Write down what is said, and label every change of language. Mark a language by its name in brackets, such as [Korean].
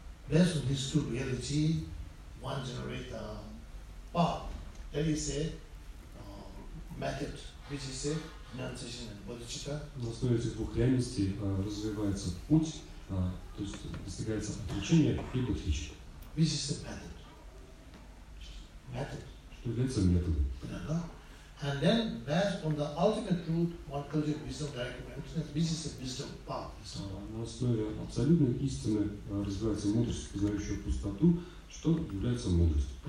[English] Based on these two reality, one generate path. That is a method, which is a meditation and bodhicitta. [Russian] На основе этих двух реальностей развивается путь, то есть достигается отречение и бодхичитта. [English] This is the method. [Russian] Что является методом. [English] And then based on the ultimate truth, one cultivates wisdom directly. This is the wisdom path. [Russian] На основе абсолютной истины развивается мудрость, познающая пустоту, что является мудростью.